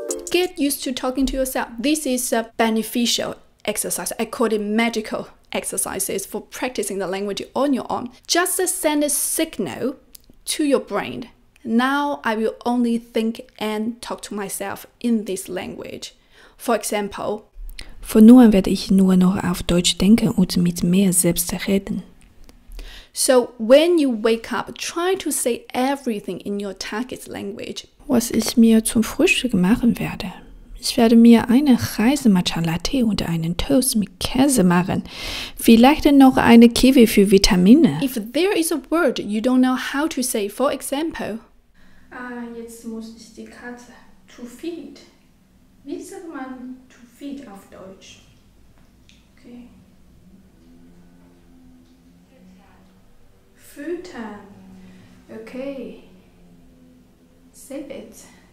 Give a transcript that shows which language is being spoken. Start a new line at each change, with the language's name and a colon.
English: Get used to talking to yourself. This is a beneficial exercise. I call it magical exercises for practicing the language on your own. Just send a signal to your brain. Now I will only think and talk to myself in this language. For example,
German: von nun an werde ich nur noch auf Deutsch denken und mit mir selbst reden.
English: So when you wake up, try to say everything in your target language.
German: Was ich mir zum Frühstück machen werde. Ich werde mir eine Reise Matcha Latte und einen Toast mit Käse machen. Vielleicht noch eine Kiwi für Vitamine.
English: If there is a word you don't know how to say, for example,
German: jetzt muss ich die Katze to feed. Wie sagt man to feed auf Deutsch?
English: Okay. Füttern. Okay. Save it.